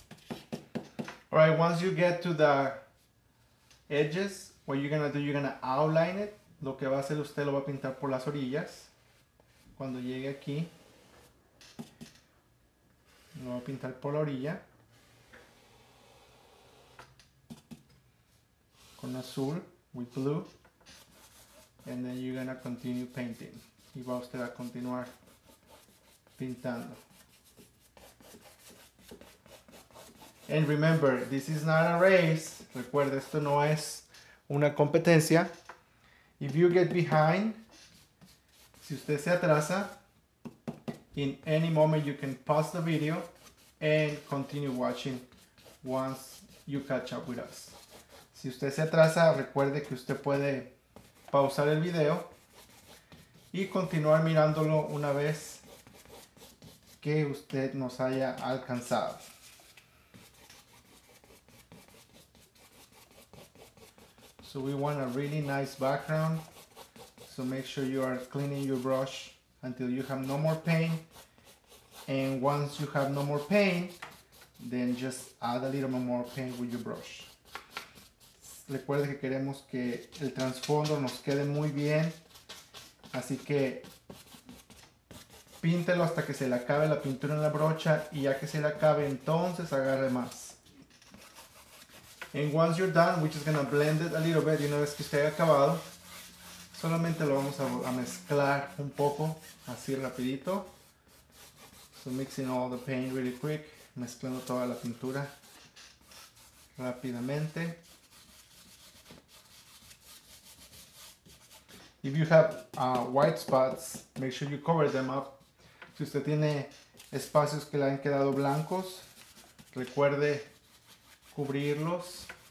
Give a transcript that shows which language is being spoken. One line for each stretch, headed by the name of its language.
English: All right, once you get to the edges, what you're gonna do, you're gonna outline it.
Spanish: Lo que va a hacer usted lo va a pintar por las orillas. Cuando llegue aquí, lo va a pintar por la orilla. Con azul,
English: with blue. And then you're gonna continue painting.
Spanish: Y va usted a continuar pintando.
English: And remember, this is not a race.
Spanish: Recuerda, esto no es una competencia.
English: If you get behind,
Spanish: si usted se atrasa,
English: in any moment you can pause the video and continue watching once you catch up with us.
Spanish: Si usted se atrasa, recuerde que usted puede pausar el video y continuar mirándolo una vez que usted nos haya alcanzado.
English: So we want a really nice background. So make sure you are cleaning your brush until you have no more paint. And once you have no more paint, then just add a little more paint with your brush.
Spanish: Recuerde que queremos que el trasfondo nos quede muy bien. Así que píntelo hasta que se le acabe la pintura en la brocha. Y ya que se le acabe, entonces agarre más.
English: And once you're done, we're just gonna blend it a little bit.
Spanish: Y una vez que esté acabado, solamente lo vamos a mezclar un poco, así rapidito.
English: So mixing all the paint really quick,
Spanish: mezclando toda la pintura rápidamente.
English: If you have white spots, make sure you cover them up.
Spanish: Si usted tiene espacios que le han quedado blancos, recuerde cubrirlos.